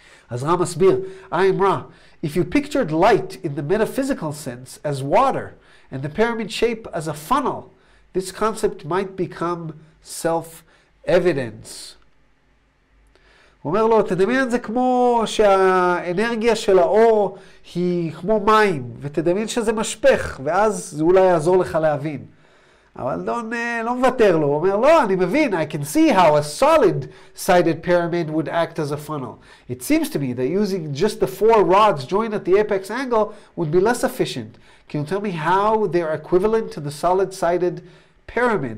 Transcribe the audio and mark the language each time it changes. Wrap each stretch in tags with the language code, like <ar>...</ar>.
<he>אז רע מסביר,</he> <en>I am Ra, if you pictured light in the metaphysical sense as water, and the pyramid shape as a funnel, this concept might become self-evidence.</en> <he>הוא אומר לו, תדמיין זה כמו שהאנרגיה של האור היא כמו מים, ותדמיין שזה משפך, ואז זה אולי יעזור לך להבין. אבל דון לא מוותר לו, הוא אומר, לא, אני מבין,</he> <en>I can see how a solid-sided pyramid would act as a funnel. It seems to me that using just the four rods joined at the apex angle would be less efficient. Can you tell me how they're equivalent to the solid-sided pyramid?</en>